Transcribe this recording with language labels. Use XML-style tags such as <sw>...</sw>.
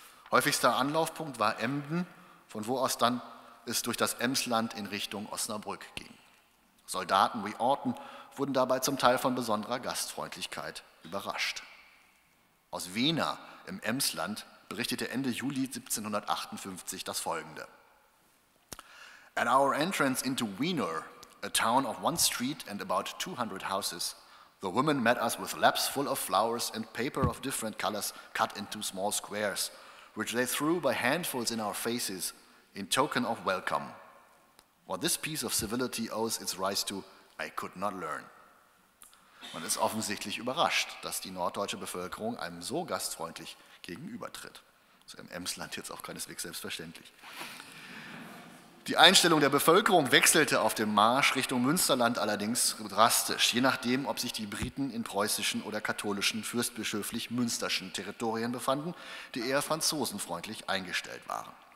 <de>Häufigster Anlaufpunkt war Emden, von wo aus dann es durch das Emsland in Richtung Osnabrück ging. Soldaten wie Orton wurden dabei zum Teil von besonderer Gastfreundlichkeit überrascht. Aus Wena im Emsland berichtete Ende Juli 1758 das Folgende.</de> <en>At our entrance into Wiener, a town of one street and about 200 houses, the women met us with laps full of flowers and paper of different colors cut into small squares, which they threw by handfuls in our faces in token of welcome. What this piece of civility owes its rise to, I could not learn.</en> <de>Man ist offensichtlich überrascht, dass die norddeutsche Bevölkerung einem so gastfreundlich gegenübertritt. Das ist im Emsland jetzt auch keineswegs selbstverständlich. Die Einstellung der Bevölkerung wechselte auf dem Marsch Richtung Münsterland allerdings drastisch, je nachdem, ob sich die Briten in preußischen oder katholischen, fürstbischöflich münsterschen Territorien befanden, die eher franzosenfreundlich eingestellt waren.</de>